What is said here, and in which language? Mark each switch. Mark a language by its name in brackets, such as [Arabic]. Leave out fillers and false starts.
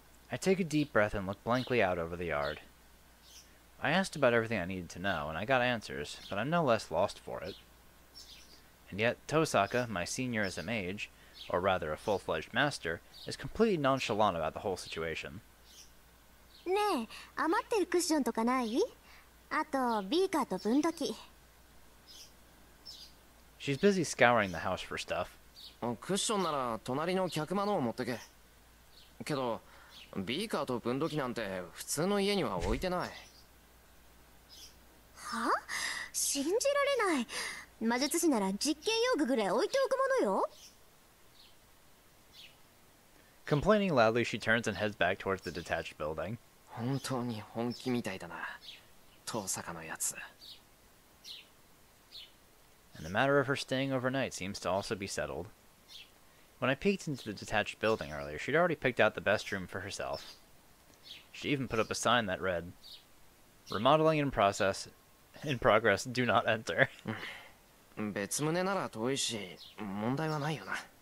[English] I take a deep breath and look blankly out over the yard. I asked about everything I needed to know, and I got answers, but I'm no less lost for it. And yet, Tosaka, my senior as a mage, or rather a full-fledged master, is completely nonchalant about the whole situation. [Japanese] ねえ、余ってるクッションとかない？あと、ビーカーと分度器。 [English] She's busy scouring the house for stuff. [Japanese] クッションなら隣の客間のを持ってけ。けど、ビーカーと分度器なんて普通の家には置いてない。は？信じられない。魔術師なら実験用具ぐらい置いておくものよ。 [English] Complaining loudly, she turns and heads back towards the detached building. [Japanese] 本当に本気みたいだな、遠坂のやつ。 [English] And the matter of her staying overnight seems to also be settled. When I peeked into the detached building earlier, she'd already picked out the best room for herself. She even put up a sign that read, Remodeling in progress, do not enter. [Japanese] 別棟なら遠いし、問題はないよな。